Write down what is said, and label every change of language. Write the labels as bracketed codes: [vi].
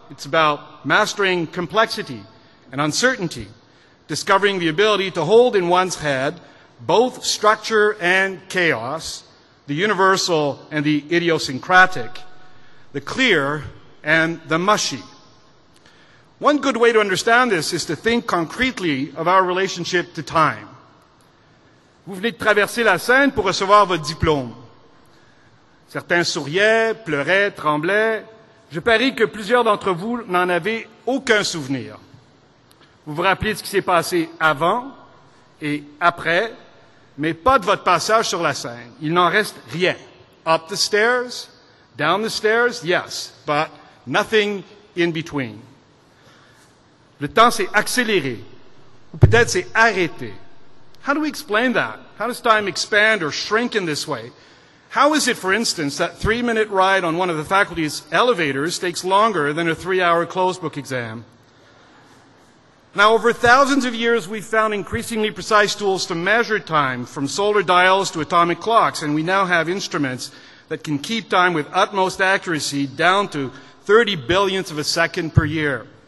[en] It's about mastering complexity and uncertainty, discovering the ability to hold in one's head both structure and chaos, the universal and the idiosyncratic, the clear and the mushy. One good way to understand this is to think concretely of our relationship to time. [fr] Vous venez de traverser la Seine pour recevoir votre diplôme. Certains souriaient, pleuraient, tremblaient. Je parie que plusieurs d'entre vous n'en avaient aucun souvenir. Vous vous rappelez de ce qui s'est passé avant et après, mais pas de votre passage sur la scène. Il n'en reste rien. [en] Up the stairs, down the stairs, yes, but nothing in between. [fr] Le temps s'est accéléré, ou peut-être s'est arrêté. [en] How do we explain that? How does time expand or shrink in this way? How is it, for instance, that 3-minute ride on one of the faculty's elevators takes longer than a 3-hour closed book exam? Now, over thousands of years, we've found increasingly precise tools to measure time, from solar dials to atomic clocks, and we now have instruments that can keep time with utmost accuracy down to 30 billionths of a second per year.